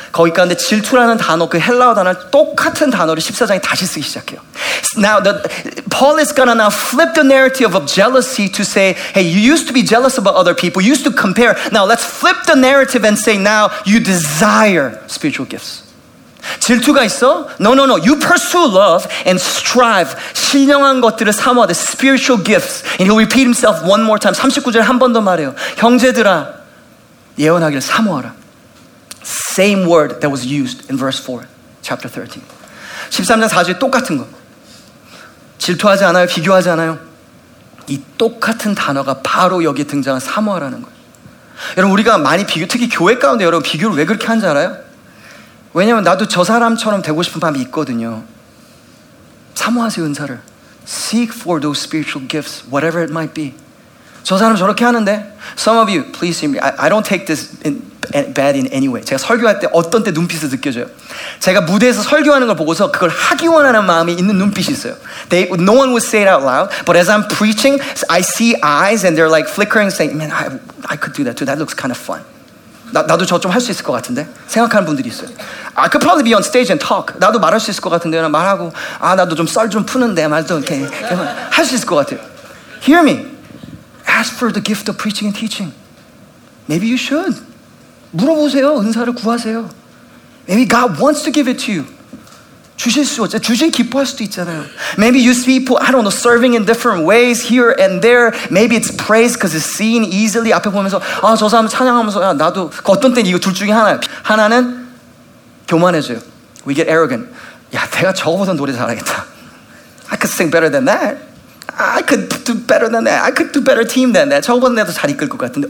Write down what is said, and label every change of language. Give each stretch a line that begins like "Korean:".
Korean: 거기 가운데 질투라는 단어, 그 헬라어 단어, 똑같은 단어를 14장에 다시 쓰기 시작해요.
English: Now, Paul is going to now flip the narrative of jealousy to say, hey, you used to be jealous about other people. You used to compare. Now, let's flip the narrative and say now, you desire spiritual gifts.
Korean: 질투가 있어?
English: No, no, no. You pursue love and strive.
Korean: 신령한 것들을 사모하되
English: spiritual gifts. And he'll repeat himself one more time.
Korean: 39절 한 번 더 말해요. 형제들아, 예언하기를 사모하라.
English: Same word that was used in verse 4, chapter 13.
Korean: 13장 4절 똑같은 거. 질투하지 않아요? 비교하지 않아요? 이 똑같은 단어가 바로 여기 등장한 사모하라는 거예요. 여러분, 우리가 많이 비교, 특히 교회 가운데 여러분 비교를 왜 그렇게 하는지 알아요? 왜냐면 나도 저 사람처럼 되고 싶은 마음이 있거든요. 사모하세요, 은사를.
English: Seek for those spiritual gifts, whatever it might be.
Korean: 저 사람 저렇게 하는데,
English: some of you, please hear me, I don't take this in, bad in any way.
Korean: 제가 설교할 때 어떤 때 눈빛을 느껴져요. 제가 무대에서 설교하는 걸 보고서 그걸 하기 원하는 마음이 있는 눈빛이 있어요.
English: They, no one would say it out loud, but as I'm preaching, I see eyes and they're like flickering, saying, "Man, I could do that too. That looks kind of fun."
Korean: 나도 저 좀 할 수 있을 것 같은데 생각하는 분들이 있어요.
English: I could probably be on stage and talk.
Korean: 나도 말할 수 있을 것 같은데 말하고 아 나도 좀 썰 좀 푸는데 말도 이렇게 할 수 있을 것 같아요.
English: Hear me. Ask for the gift of preaching and teaching. Maybe you should.
Korean: 물어보세요. 은사를 구하세요.
English: Maybe God wants to give it to you.
Korean: 주실 수 있어요. 주신 기뻐할 수도 있잖아요.
English: Maybe you see people, I don't know, serving in different ways here and there. Maybe it's praise because it's seen easily.
Korean: 앞에 보면서 아, 저 사람 찬양하면서 야, 나도 그 어떤 때는 이거 둘 중에 하나예요. 하나는 교만해져요.
English: We get arrogant.
Korean: 야, 내가 저거보다 노래 잘하겠다.
English: I could sing better than that. I could do better than that. I could do better team than that.
Korean: 저거보다 내가 더 잘 이끌 것 같은데.